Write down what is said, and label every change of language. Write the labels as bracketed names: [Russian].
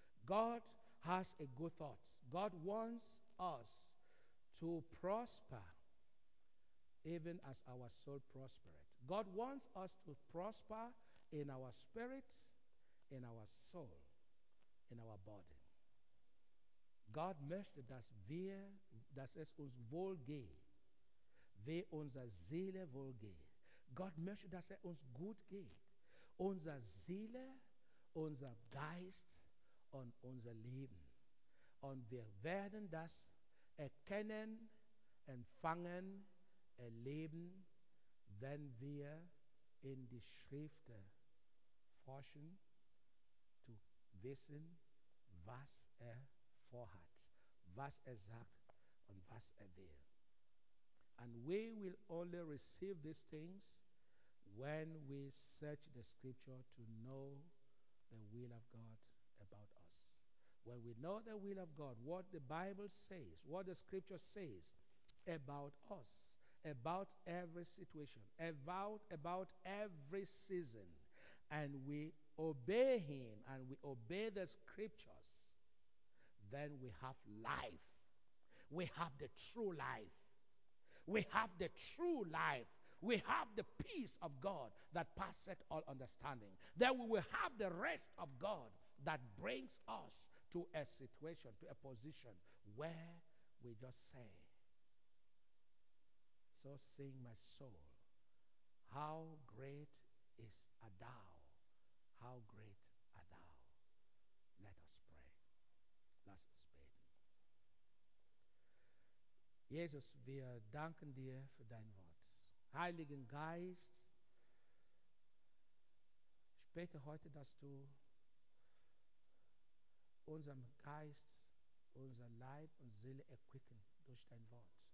[English] God has a good thought. God wants us to prosper even as our soul prospereth. God wants us to prosper in our spirit, in our soul, in our body. [German] God möchte, dass wir, dass es uns wohl geht, wie unsere Seele wohl geht. God möchte, dass es uns gut geht, unsere Seele, unser Geist und unser Leben. Und wir werden das erkennen, empfangen, erleben, wenn wir in die Schrift forschen, zu wissen, was er vorhat, was er sagt und was er will. [English] And we will only receive these things when we search the scripture to know the will of God about us. When we know the will of God, what the Bible says, what the scripture says about us, about every situation, about every season, and we obey him and we obey the scriptures, then we have life. We have the true life. We have the true life. We have the peace of God that passeth all understanding. Then we will have the rest of God that brings us to a situation, to a position where we just say, so sing my soul, how great is a thou? How great a thou? Let us pray. [German] Let's Jesus, wir danken dir für dein Wort. Heiligen Geist, ich bete heute, dass du unserem Geist, unser Leib und Seele erquicken durch dein Wort.